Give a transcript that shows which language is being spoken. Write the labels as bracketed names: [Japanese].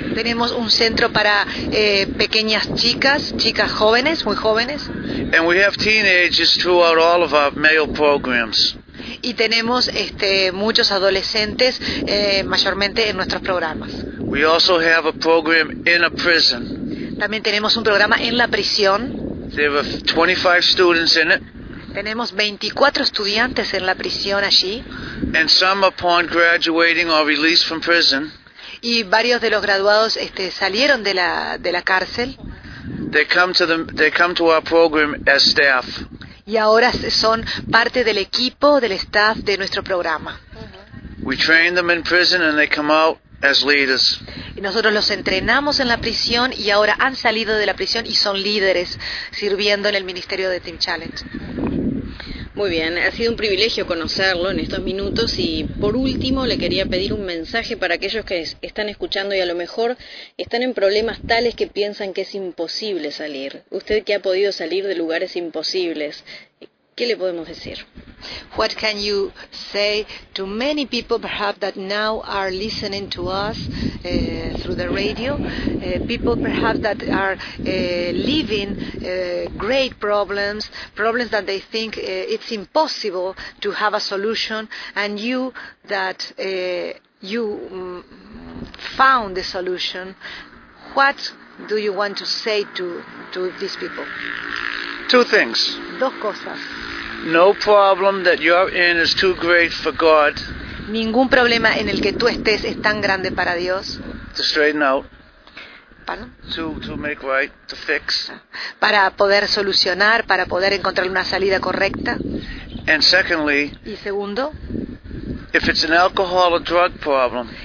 [Spanish] Tenemos un centro para pequeñas chicas jóvenes, muy jóvenes. [English] And we have teenagers throughout all of our male programs. [Spanish] Y tenemos muchos adolescentes mayormente en nuestros programas. [English] We also have a program in a prison. [Spanish] También tenemos un programa en la prisión. [English] There are 25 students in it. [Spanish] Tenemos 24 estudiantes en la prisión allí. [English] And some upon graduating or released from prison. [Spanish] Y varios de los graduados salieron de la cárcel. [English] They come to our program as staff. [Spanish] Y ahora son parte del equipo, del staff de nuestro programa. [English] We train them in prison and they come out as leaders. [Spanish] Y nosotros los entrenamos en la prisión y ahora han salido de la prisión y son líderes sirviendo en el ministerio de Team Challenge. Muy bien, ha sido un privilegio conocerlo en estos minutos y por último le quería pedir un mensaje para aquellos que están escuchando y a lo mejor están en problemas tales que piensan que es imposible salir. Usted que ha podido salir de lugares imposibles, ¿qué le podemos decir? [English] What can you say to many people perhaps that now are listening to us through the radio? People perhaps that are living great problems that they think it's impossible to have a solution, and you that you found the solution. What do you want to say to these people? Two things. [Spanish] Dos cosas. [English] No problem that you're in is too great for God. [Spanish] Ningún problema en el que tú estés es tan grande para Dios. [English] To straighten out. ¿Pardon? To make right, to fix. [Spanish] Para poder solucionar, para poder encontrar una salida correcta. [English] And secondly. [Spanish] Y segundo. [English] If it's an alcohol or drug problem.